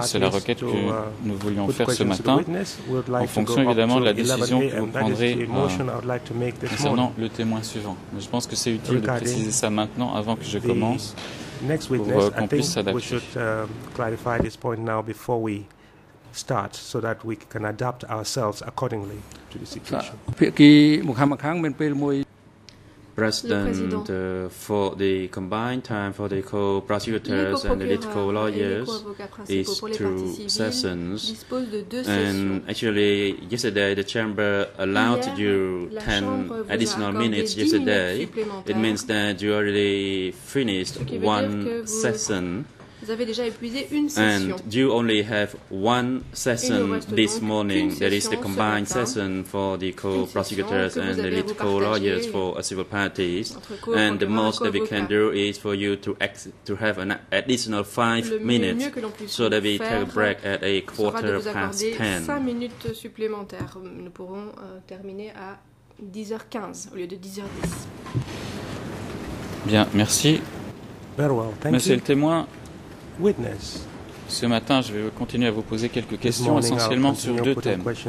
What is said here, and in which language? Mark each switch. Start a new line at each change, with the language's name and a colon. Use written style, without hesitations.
French: C'est la requête que nous voulions faire ce matin, en fonction évidemment de la décision que vous prendrez concernant le témoin suivant. Mais je pense que c'est utile de préciser ça maintenant, avant que je commence,
English: next witness,
French: pour qu'on puisse s'adapter.
English: We should clarify this point now before we start so that we can adapt ourselves accordingly to the situation. President, for the combined time for the co-prosecutors and the lead co-lawyers is two sessions. And actually, yesterday the chamber allowed you 10 additional minutes yesterday. It means that you already finished one session.
French: Vous avez déjà épuisé une session.
English: And you only have one session this morning, that is the combined session for the co-prosecutors and the lead co-lawyers for civil parties. And the most that we can do is for you to have an additional 5 minutes so that we take a break at a quarter past 10.
French: 5 minutes supplémentaires. Nous pourrons terminer à 10h15 au lieu de 10h10. Bien, merci.
English: Very well, thank
French: Monsieur
English: you.
French: Le témoin.
English: Witness.
French: Ce matin, je vais continuer à vous poser quelques questions, essentiellement sur deux thèmes.